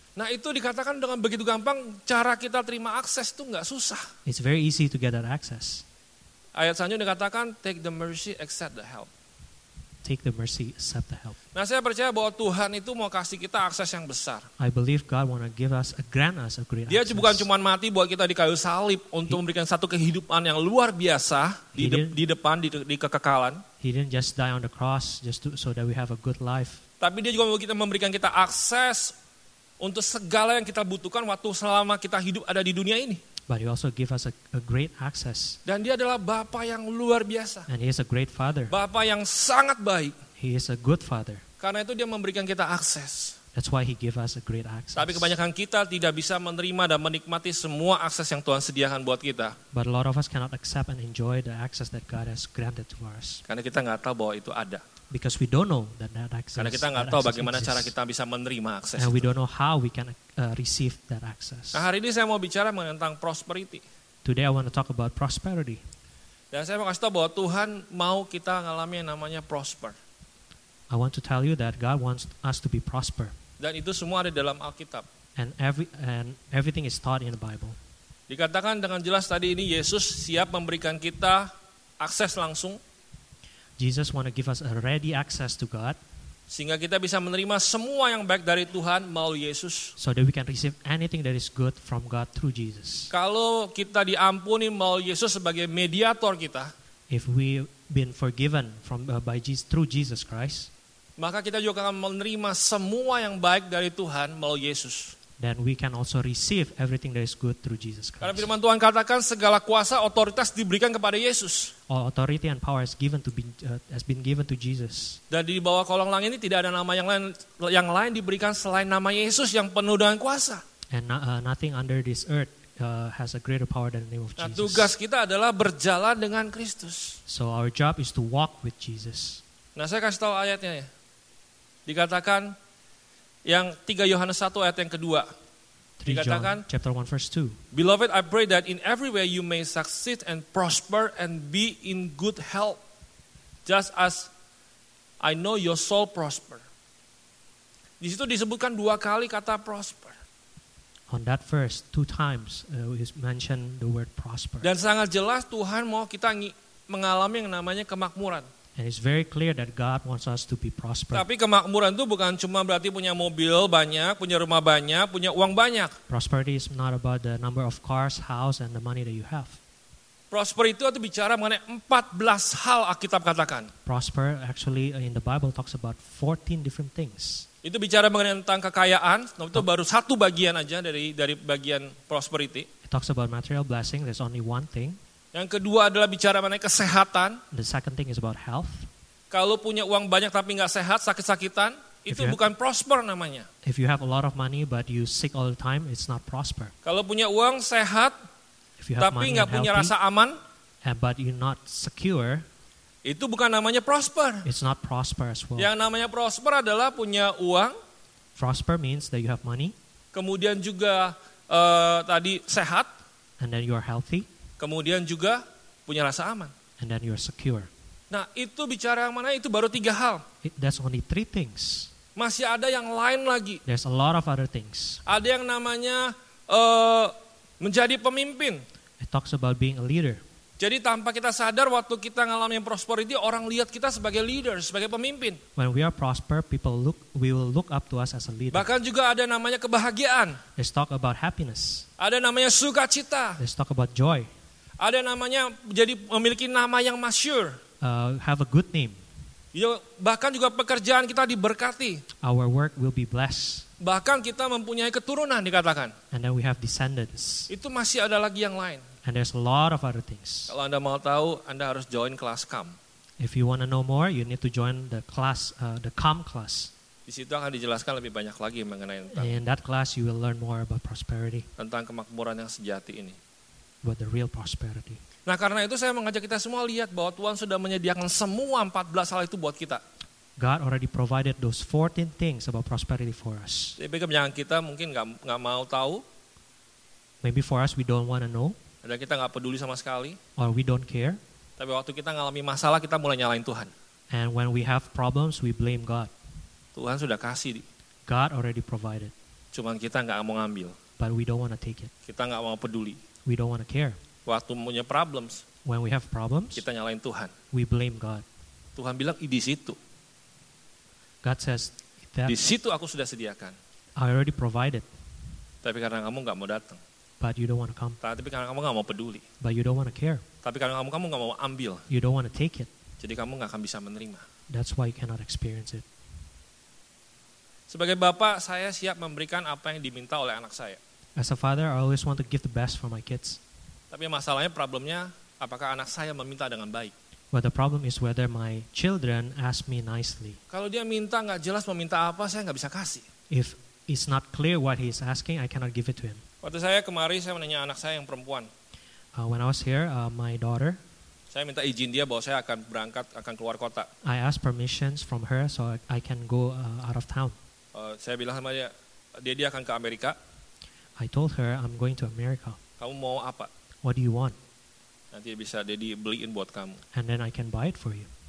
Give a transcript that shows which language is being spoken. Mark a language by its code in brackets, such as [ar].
[id] Nah, itu dikatakan dengan begitu gampang cara kita terima akses itu enggak susah. [en] It's very easy to get that access. [id] Ayat selanjutnya dikatakan [en] take the mercy accept the help. Take the mercy, accept the help. [id] Nah, saya percaya bahwa Tuhan itu mau kasih kita akses yang besar. [en] I believe God want to give us a grant us a great. [id] Dia bukan cuma mati buat kita di kayu salib untuk memberikan satu kehidupan yang luar biasa di depan di kekekalan. [en] He didn't just die on the cross just so that we have a good life. [id] Tapi dia juga mau kita memberikan kita akses untuk segala yang kita butuhkan waktu selama kita hidup ada di dunia ini. [en] But he also give us a great access. [id] Dan dia adalah Bapa yang luar biasa. [en] And he is a great father. [id] Bapa yang sangat baik. [en] He is a good father. [id] Karena itu dia memberikan kita akses. [en] That's why he give us a great access. [id] Tapi kebanyakan kita tidak bisa menerima dan menikmati semua akses yang Tuhan sediakan buat kita. [en] But a lot of us cannot accept and enjoy the access that God has granted to us. [id] Karena kita enggak tahu bahwa itu ada. [en] Because we don't know that access. [id] Karena kita enggak tahu bagaimana cara kita bisa menerima akses. [en] And we don't know how we can receive that access. [id] Nah, hari ini saya mau bicara tentang prosperity. [en] Today I want to talk about prosperity. [id] Dan saya mau kasih tahu bahwa Tuhan mau kita mengalami yang namanya prosper. [en] I want to tell you that God wants us to be prosper. [id] Dan itu semua ada dalam Alkitab. [en] And everything is taught in the Bible. [id] Dikatakan dengan jelas tadi ini Yesus siap memberikan kita akses langsung. [en] Jesus want to give us a ready access to God. [id] Sehingga kita bisa menerima semua yang baik dari Tuhan melalui Yesus. [en] So that we can receive anything that is good from God through Jesus. [id] Kalau kita diampuni melalui Yesus sebagai mediator kita, [en] if we been forgiven from by Jesus through Jesus Christ, [id] maka kita juga akan menerima semua yang baik dari Tuhan melalui Yesus. [en] Then we can also receive everything that is good through Jesus Christ. [id] Karena firman Tuhan katakan segala kuasa otoritas diberikan kepada Yesus. [en] All authority and power has been given to Jesus. [id] Dan di bawah kolong langit ini tidak ada nama yang lain diberikan selain nama Yesus yang penuh dengan kuasa. [en] And nothing under this earth has a greater power than the name of Jesus. [id] Nah, tugas kita adalah berjalan dengan Kristus. [en] So our job is to walk with Jesus. [id] Nah, saya kasih tahu ayatnya ya. Dikatakan yang 3 Yohanes 1 ayat yang kedua. Dikatakan [en] John, chapter 1 verse 2. Beloved, I pray that in every way you may succeed and prosper and be in good health, just as I know your soul prosper. [id] Di situ disebutkan dua kali kata prosper. [en] On that verse, two times is mentioned the word prosper. [id] Dan sangat jelas Tuhan mau kita mengalami yang namanya kemakmuran. [en] And it's very clear that God wants us to be prosperous. [id] Tapi kemakmuran itu bukan cuma berarti punya mobil banyak, punya rumah banyak, punya uang banyak. [en] Prosperity is not about the number of cars, house, and the money that you have. [id] Prosper itu bicara mengenai 14 hal Alkitab katakan. [en] Prosper actually in the Bible talks about 14 different things. [id] Itu bicara mengenai tentang kekayaan, itu baru satu bagian aja dari bagian prosperity. [en] It talks about material blessing, there's only one thing. [id] Yang kedua adalah bicara mengenai kesehatan. [en] The second thing is about health. [id] Kalau punya uang banyak tapi enggak sehat, sakit-sakitan, itu bukan prosper namanya. [en] If you have a lot of money but you sick all the time, it's not prosper. [id] Kalau punya uang sehat tapi enggak punya rasa aman, [en] but you're not secure, [id] itu bukan namanya prosper. [en] It's not prosper as well. [id] Yang namanya prosper adalah punya uang. [en] Prosper means that you have money. [id] Kemudian juga tadi sehat. [en] And then you're healthy. [id] Kemudian juga punya rasa aman. [en] And then you're secure. [id] Nah, itu bicara yang mana itu baru tiga hal. [en] That's only three things. [id] Masih ada yang lain lagi. [en] There's a lot of other things. [id] Ada yang namanya menjadi pemimpin. [en] It talks about being a leader. [id] Jadi tanpa kita sadar waktu kita ngalami prosperity, orang lihat kita sebagai leader, sebagai pemimpin. [en] When we are prosper, people will look up to us as a leader. [id] Bahkan juga ada namanya kebahagiaan. [en] Let's talk about happiness. [id] Ada namanya sukacita. [en] Let's talk about joy. [id] Ada namanya jadi memiliki nama yang masyhur. [en] Have a good name. [id] Bahkan juga pekerjaan kita diberkati. [en] Our work will be blessed. [id] Bahkan kita mempunyai keturunan dikatakan. [en] And then we have descendants. [id] Itu masih ada lagi yang lain. [en] And there's a lot of other things. [id] Kalau Anda mau tahu, Anda harus join kelas CAM. [en] If you want to know more, you need to join the class, the CAM class. [id] Di situ akan dijelaskan lebih banyak lagi mengenai tentang. [en] In that class, you will learn more about prosperity. [id] Tentang kemakmuran yang sejati ini. [en] About the real prosperity. [id] Nah, karena itu saya mengajak kita semua lihat bahwa Tuhan sudah menyediakan semua 14 hal itu buat kita. [en] God already provided those 14 things about prosperity for us. [id] Jadi kebanyakan kita mungkin nggak mau tahu. [en] Maybe for us, we don't want to know. [id] Dan kita nggak peduli sama sekali. [en] Or we don't care. [id] Tapi waktu kita ngalami masalah, kita mulai nyalain Tuhan. [en] And when we have problems, we blame God. [id] Tuhan sudah kasih. [en] God already provided. [id] Cuman kita nggak mau ngambil. [en] But we don't want to take it. [id] Kita nggak mau peduli. [en] We don't want to care. [id] Waktu punya problems. [en] When we have problems. [id] Kita nyalain Tuhan. [en] We blame God. [id] Tuhan bilang di situ. [en] God says that. [id] Di situ aku sudah sediakan. [en] I already provided. [id] Tapi karena kamu nggak mau datang. [en] But you don't want to come. [id] Tapi karena kamu nggak mau peduli. [en] But you don't want to care. [id] Tapi karena kamu nggak mau ambil. [en] You don't want to take it. [id] Jadi kamu nggak akan bisa menerima. [en] That's why you cannot experience it. [id] Sebagai bapak, saya siap memberikan apa yang diminta oleh anak saya. [en] As a father, I always want to give the best for my kids. [id] Tapi masalahnya, problemnya, apakah anak saya meminta dengan baik? [en] But the problem is whether my children ask me nicely. [id] Kalau dia minta nggak jelas meminta apa, saya nggak bisa kasih. [en] If it's not clear what he's asking, I cannot give it to him. [id] Waktu saya kemari, saya menanya anak saya yang perempuan. [en] When I was here, my daughter. [id] Saya minta izin dia bahwa saya akan berangkat, akan keluar kota. [en] I asked permissions from her so I can go out of town. [id] Saya bilang sama dia, dia akan ke Amerika. [en] I told her I'm going to America. [id] Kamu mau apa? [en] What do you want? [id] Nanti bisa Daddy beliin buat kamu. [en] And then I can buy it for you.